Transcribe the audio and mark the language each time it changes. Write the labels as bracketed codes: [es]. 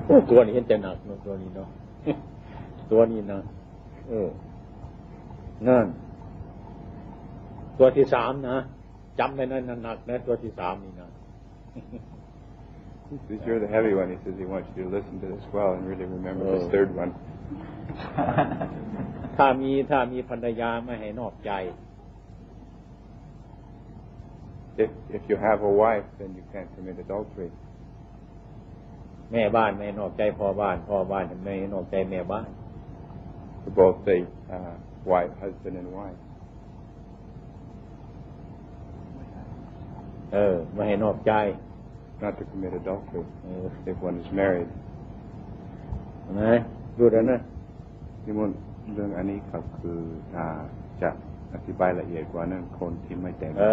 [th] ตัวนี้จะหนักเนาะตัวนี้เนาะตัวนี้นะนั่นตัวที่สามนะจำไว้นะหนักนะตัวที่สามนี่นะ [en] Since you're the heavy one, he says he wants you to listen to this well and really remember this third one. [th] ถ้ามีภรรยาไม่ให้นอกใจ [en] If you have a wife, then you can't commit adultery. [th] แม่บ้านไม่นอกใจพ่อบ้านไม่นอกใจแม่บ้าน [en] To both the wife, husband, and wife. [th] ไม่ให้นอกใจ [en] Not to commit adultery if one is married. [th] นะดูด้วยนะ นิมนต์เรื่องอันนี้ครับคือจะอธิบายละเอียดกว่านั้นคนที่ไม่แต่ง